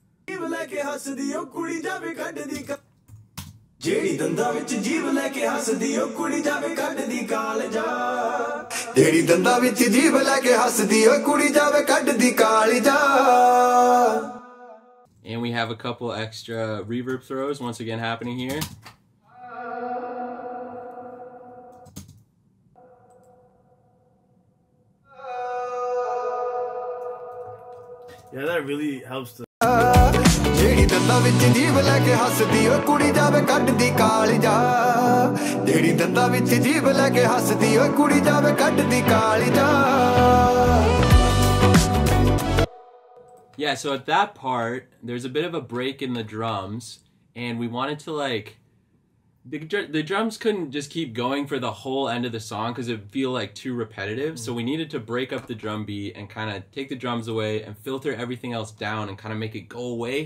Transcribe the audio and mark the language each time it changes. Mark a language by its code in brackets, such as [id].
[en] And we have a couple extra reverb throws once again happening here. Yeah, that really helps to... [pa] ਜਿਹੜੀ ਦੰਦਾਂ ਵਿੱਚ ਜੀਵ ਲੈ ਕੇ ਹੱਸਦੀ ਓ ਕੁੜੀ ਜਾਵੇ ਕੱਢਦੀ ਕਾਲ ਜਾ ਜਿਹੜੀ ਦੰਦਾਂ ਵਿੱਚ ਜੀਵ ਲੈ ਕੇ ਹੱਸਦੀ ਓ ਕੁੜੀ ਜਾਵੇ ਕੱਢਦੀ ਕਾਲ ਜਾ. [en] Yeah, so at that part there's a bit of a break in the drums and we wanted to like the drums couldn't just keep going for the whole end of the song because it'd feel like too repetitive. Mm-hmm. So we needed to break up the drum beat and kind of take the drums away and filter everything else down and kind of make it go away.